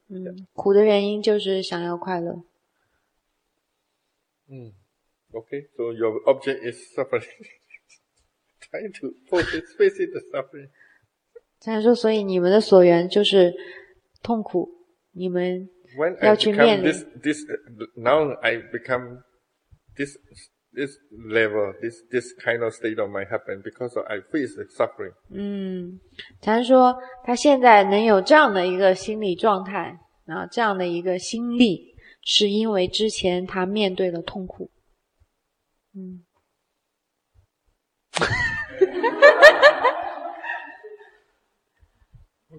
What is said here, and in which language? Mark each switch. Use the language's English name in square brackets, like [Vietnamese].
[Chinese] 嗯、苦的原因就是想要快乐。 [English] 嗯 ，Okay, so your object is suffering. Trying to focus, face the suffering. [Chinese] 禅说，所以你们的所缘就是痛苦，你们要去面临。 [English] When I become this level, this kind of state of mind happened because I face suffering. [Chinese] 嗯，禅说他现在能有这样的一个心理状态，然后这样的一个心力，是因为之前他面对了痛苦。嗯。